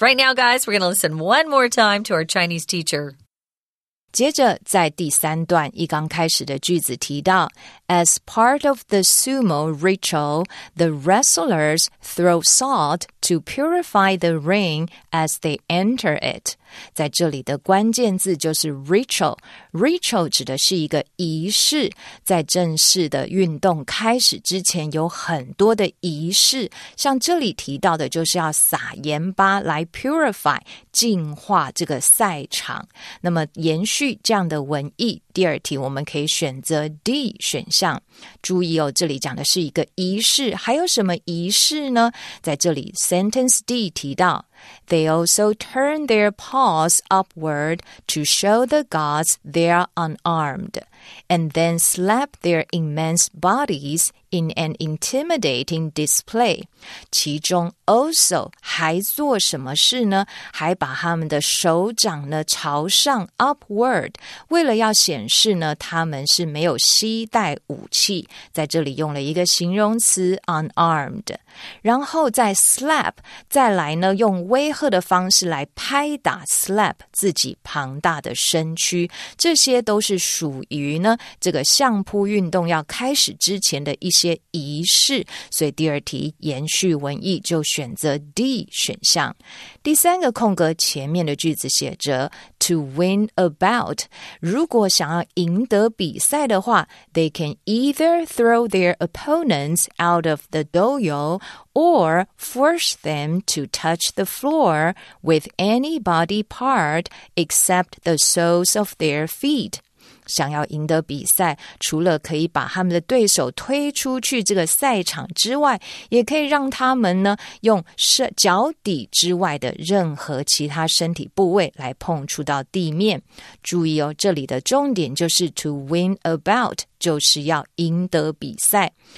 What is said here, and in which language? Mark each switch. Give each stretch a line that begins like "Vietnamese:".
English: Right now, guys, we're going to listen one more time to our Chinese teacher.
Chinese: 接着在第三段一刚开始的句子提到
English: As part of the sumo ritual, the wrestlers throw salt to purify the ring as they enter it.
Chinese: 在这里的关键字就是 ritual. Ritual 指的是一个仪式，在正式的运动开始之前有很多的仪式，像这里提到的就是要撒盐巴来 purify 净化这个赛场。那么延续这样的文意，第二题我们可以选择 D 选项。注意哦，这里讲的是一个仪式，还有什么仪式呢？在这里
English: Sentence D
Chinese: 提到
English: They also turn their paws upward to show the gods they are unarmed and then slap their immense bodies in an intimidating display.
Chinese: 其中 also 还做什么事呢？还把他们的手掌呢朝上 upward， 为了要显示呢他们是没有携带武器，在这里用了一个形容词 unarmed， 然后再 slap， 再来呢用威吓的方式来拍打 slap 自己庞大的身躯，这些都是属于呢这个相扑运动要开始之前的一些仪式，所以第二题延续文意就选择 D 选项。第三个空格前面的句子写着
English: To win a bout，
Chinese: 如果想要赢得比赛的话，
English: They can either throw their opponents out of the dojo or force them to touch the floor with any body part except the soles of their feet。
Chinese: 想要赢得比赛，除了可以把他们的对手推出去这个赛场之外，也可以让他们呢用脚底之外的任何其他身体部位来碰触到地面。注意哦，这里的重点就是
English: to win a bout，
Chinese: 就是要赢得比赛。